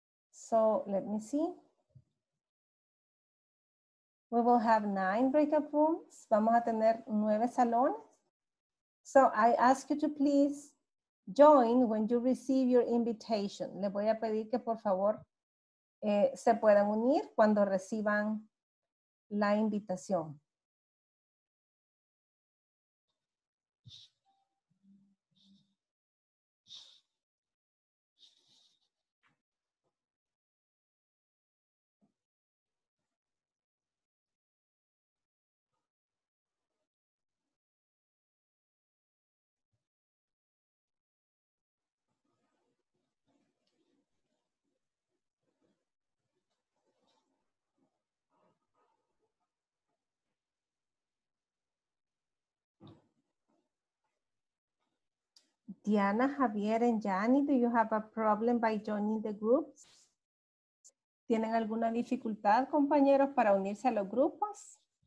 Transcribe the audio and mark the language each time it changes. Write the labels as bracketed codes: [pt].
[en] So let me see. We will have 9 breakout rooms. [es] Vamos a tener 9 salones. [en] So I ask you to please join when you receive your invitation. [es] Les voy a pedir que por favor se puedan unir cuando reciban la invitación. [en] Diana, Javier, and Yanni, do you have a problem by joining the groups? [es] ¿Tienen alguna dificultad, compañeros, para unirse a los grupos?